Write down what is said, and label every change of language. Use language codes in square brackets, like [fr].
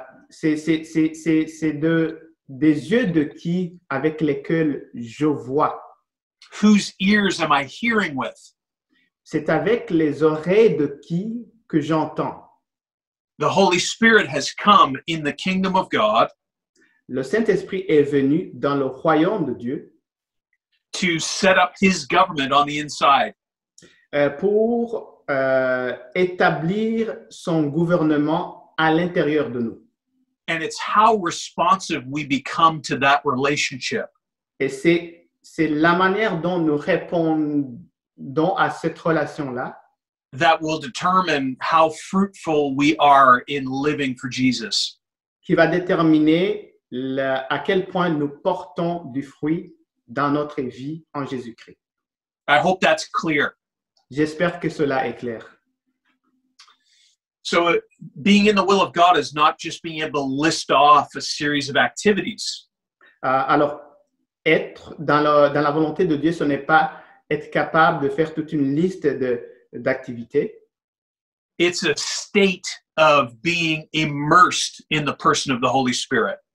[fr] C'est des yeux de qui avec lesquels je vois? [en] Whose ears am I hearing with? [fr] C'est avec les oreilles de qui que j'entends? [en] The Holy Spirit has come in the kingdom of God. [fr] Le Saint-Esprit est venu dans le royaume de Dieu [en] to set up his government on the inside. [fr] Pour établir son gouvernement à l'intérieur de nous. [en] And it's how responsive we become to that relationship. [fr] Et c'est la manière dont nous répondons à cette relation-là [en] that will determine how fruitful we are in living for Jesus. [fr] Qui va déterminer à quel point nous portons du fruit dans notre vie en Jésus-Christ. [en] I hope that's clear. [fr] J'espère que cela est clair. [en] So, being in the will of God is not just being able to list off a series of activities. [fr] Alors, être dans la volonté de Dieu, ce n'est pas être capable de faire toute une liste d'activités. [en] It's a state of being immersed in the person of the Holy Spirit.